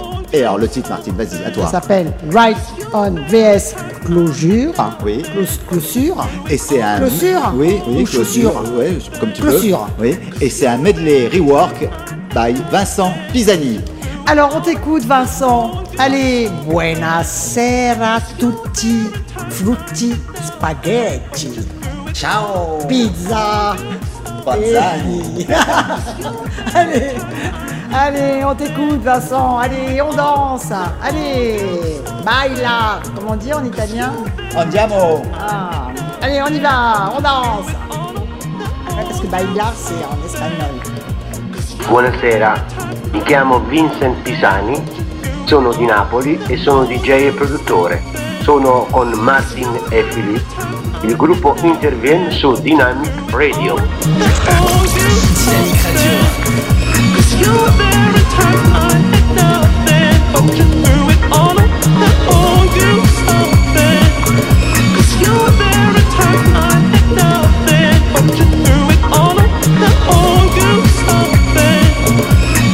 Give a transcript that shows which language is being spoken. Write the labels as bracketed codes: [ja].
[fr] Et alors le titre, Martine, vas-y, à toi. Ça s'appelle Right on vs Closure. Oui. Closure. Et c'est un. Closure. Oui, oui. Ou closure. Oui, comme tu closure. Veux. Oui. Et c'est un medley rework by Vincent Pisani. Alors on t'écoute, Vincent. [it] Allez, buona sera tutti, frutti, spaghetti. Ciao. Pizza. Pazzani. [fr] Allez, on t'écoute, Vincent. Allez, on danse. Allez, baila. Comment on dit en italien? [it] Andiamo. [fr] Ah. Allez, on y va, on danse. Parce que baila, c'est en espagnol. [it] Buonasera, mi chiamo Vincent Pisani, sono di Napoli e sono DJ e produttore. Sono con Martin e Philippe. Il gruppo interviene su Dynamic Radio. Dynamic Radio. [en] You're very tight, I ain't nothing. Don't you throw it all up, I owe you something. Cause you're very tight, I ain't nothing. Don't you throw it all up, I owe you something.